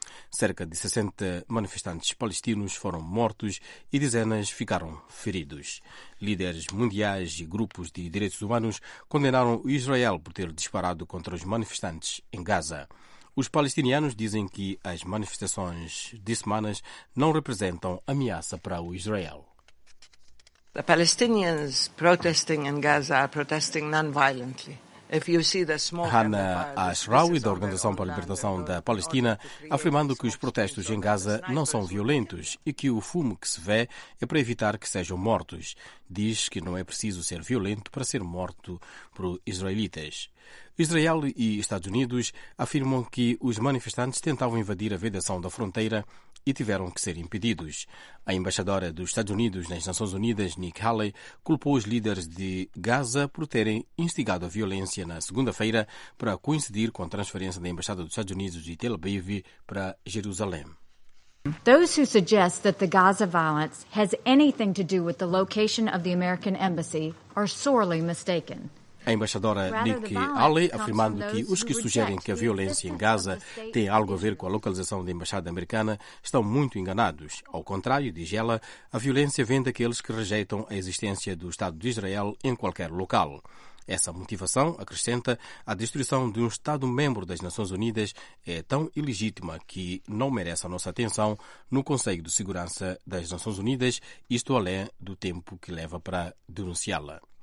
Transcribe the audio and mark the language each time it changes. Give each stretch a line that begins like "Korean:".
Portuguese: Cerca de 60 manifestantes palestinos foram mortos e dezenas ficaram feridos. Líderes mundiais e grupos de direitos humanos condenaram Israel por ter disparado contra os manifestantes em Gaza. Os palestinianos dizem que as manifestações de semanas não representam ameaça para o Israel.
English: The Palestinians protesting in Gaza are protesting non-violently.
Portuguese: Hanna Ashraoui, da Organização para a Libertação da Palestina, afirmando que os protestos em Gaza não são violentos e que o fumo que se vê é para evitar que sejam mortos. Diz que não é preciso ser violento para ser morto por israelitas. Israel e Estados Unidos afirmam que os manifestantes tentavam invadir a vedação da fronteira e tiveram que ser impedidos. A embaixadora dos Estados Unidos nas Nações Unidas, Nikki Haley, culpou os líderes de Gaza por terem instigado a violência na segunda-feira para coincidir com a transferência da embaixada dos Estados Unidos de Tel Aviv para Jerusalém.
English: Those who suggest that the Gaza violence has anything to do with the location of the American embassy are sorely mistaken.
Portuguese: A embaixadora Nikki Haley afirmando que os que sugerem que a violência em Gaza tem algo a ver com a localização da embaixada americana estão muito enganados. Ao contrário, diz ela, a violência vem daqueles que rejeitam a existência do Estado de Israel em qualquer local. Essa motivação, acrescenta, a destruição de um Estado-membro das Nações Unidas é tão ilegítima que não merece a nossa atenção no Conselho de Segurança das Nações Unidas, isto além do tempo que leva para denunciá-la.